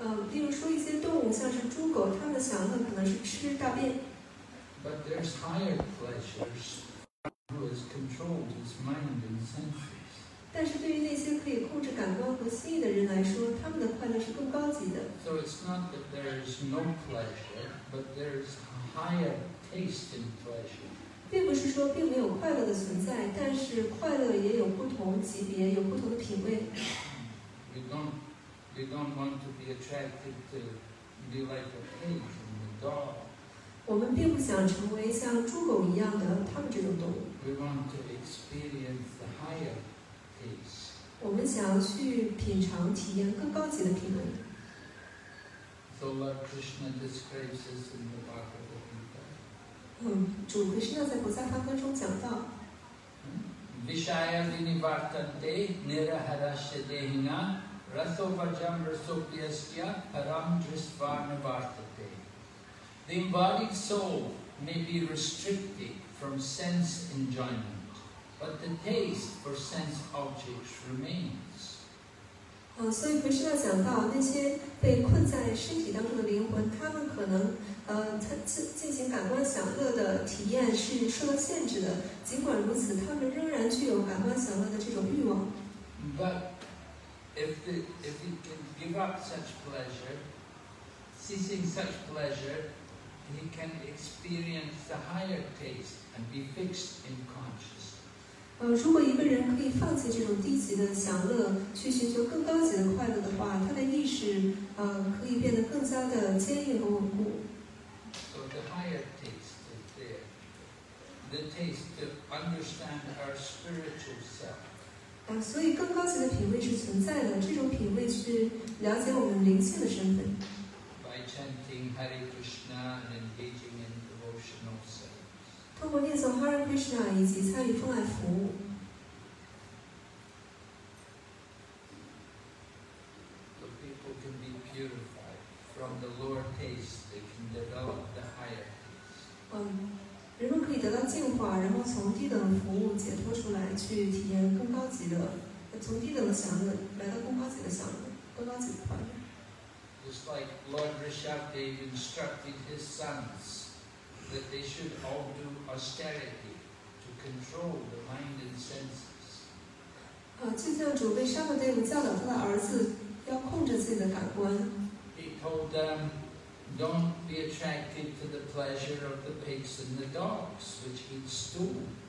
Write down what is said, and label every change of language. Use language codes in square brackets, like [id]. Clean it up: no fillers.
[zh] 例如说一些动物，像是猪狗，它们的享乐可能是吃大便。 [en] But there's higher pleasures who has controlled his mind and senses. [zh] 但是对于那些可以控制感官和心意的人来说，他们的快乐是更高级的。 [en] So it's not that there's no pleasure, but there's a higher taste in pleasure. [zh] 并不是说并没有快乐的存在，但是快乐也有不同级别，有不同的品味。 [en] We don't want to be attracted to be like a pig and a dog. [zh] 我们并不想成为像猪狗一样的他们这种动物。 [en] We want to experience the higher taste. [zh] 我们想要去品尝、体验更高级的品味。 [en] So Lord Krishna describes this in the Bhagavad Gita. [zh] 主克什那在《菩萨梵歌》中讲到。 [sa] Vishaya vinivartante niraharasya dehina raso vajam raso pyasya param drisvarna vartate. [en] The embodied soul may be restricted from sense enjoyment, but the taste for sense objects remains. [zh] 所以不是要讲到那些被困在身体当中的灵魂，他们可能进行感官享乐的体验是受到限制的。尽管如此，他们仍然具有感官享乐的这种欲望。 [en] But if he can give up such pleasure, ceasing such pleasure. He can experience the higher taste and be fixed in consciousness. [zh] 如果一个人可以放弃这种低级的享乐，去寻求更高级的快乐的话，他的意识可以变得更加的坚硬和稳固。 [en] So the higher taste is there. The taste to understand our spiritual self. [zh] 所以更高级的品味是存在的，这种品味是了解我们灵性的身份。 [en] By chanting Hare Krishna and engaging in devotional service. [zh] 通过念诵 Hare Krishna 以及参与奉爱服务。 [en] The people can be purified from the lower taste. They can develop the higher taste. [zh] 人们可以得到净化，然后从低等的服务解脱出来，去体验更高级的，从低等的享乐来到更高级的享乐，更高级的快乐。 [en] Just like Lord Rishabhdev instructed his sons that they should all do austerity to control the mind and senses. [zh] 就像主为沙摩耶教导他的儿子要控制自己的感官。 [en] He told them. Don't be attracted to the pleasure of the pigs and the dogs, which eat stool.